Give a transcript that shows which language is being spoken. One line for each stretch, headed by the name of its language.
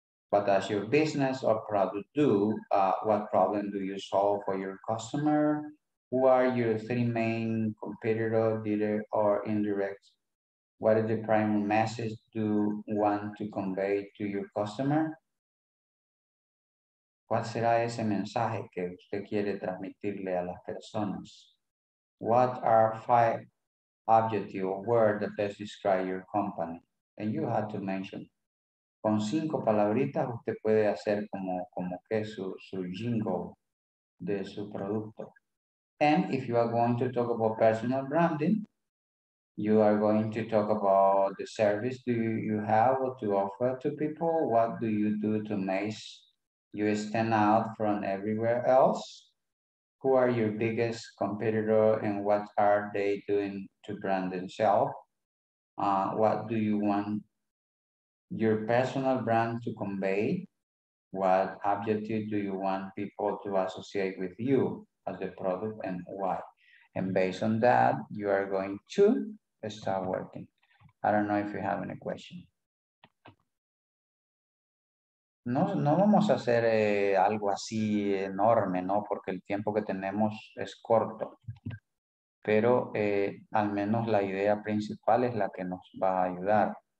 English: What does your business or product do? What problem do you solve for your customer? Who are your three main competitors, direct or indirect? What is the primary message do you want to convey to your customer?
Spanish: ¿Cuál será ese mensaje que usted quiere transmitirle a las personas?
English: What are five objective or words that best describe your company? And you have to mention.
Spanish: Con cinco palabritas, usted puede hacer como que su jingle de su producto.
English: And if you are going to talk about personal branding, you are going to talk about the service do you have or to offer to people. What do you do to make you stand out from everywhere else? Who are your biggest competitor and what are they doing to brand themselves? What do you want your personal brand to convey? What objective do you want people to associate with you as a product and why? And based on that, you are going to start working. I don't know if you have any question.
Spanish: No vamos a hacer algo así enorme, ¿no? Porque el tiempo que tenemos es corto. Pero al menos la idea principal es la que nos va a ayudar.